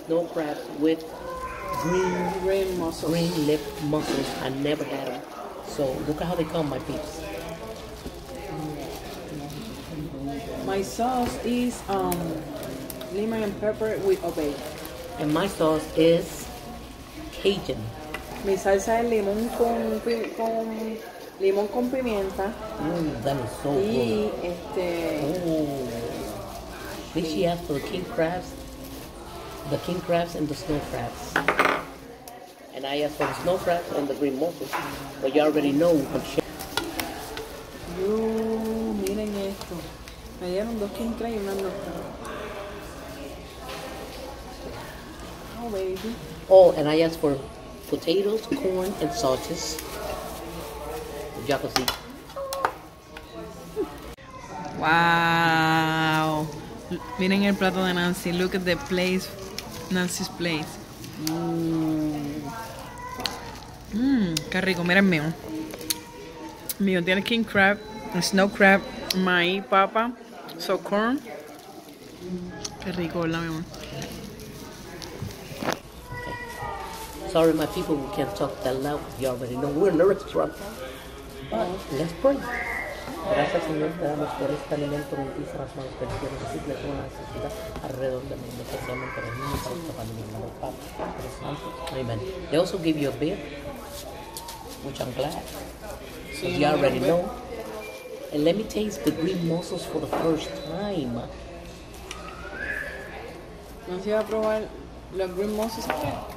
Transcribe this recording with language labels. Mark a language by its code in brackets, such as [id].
[en] snow crabs with green mussels. Green lip mussels. I never had them. So look at how they come, my peeps. My sauce is lemon and pepper with obey. And my sauce is Cajun. [es] Mi salsa es limón con limón con pimienta. [en] That is so y good. [es] Este. [en] Oh. Did she ask for the king crabs and the snow crabs? And I asked for the snow crabs and the green mussels. But you already know. [es] Yo, miren esto. Me dieron dos king crabs y una snow crab. [en] Oh, baby. Oh, and I asked for potatoes, corn, and sausages. [es] Wow! Miren el plato de Nancy. [en] Look at the place, Nancy's place. [es] Qué rico. Miren mío. Mío tiene king crab, snow crab, maíz, papa, [en] so corn. [es] Qué rico, la mía. [en] Sorry, my people, we can't talk that loud. You already know we're in a restaurant. But let's pray. [es] Gracias, Señor, te damos por este alimento bendito a las manos que quiero decirle toda la necesidad alrededor del mundo, especialmente para el niño, para esta familia, para los padres, para los santos. [en] Amen. They also give you a beer, which I'm glad. So you already know. And let me taste the green mussels for the first time. [es] ¿No se va a probar los green mussels aquí?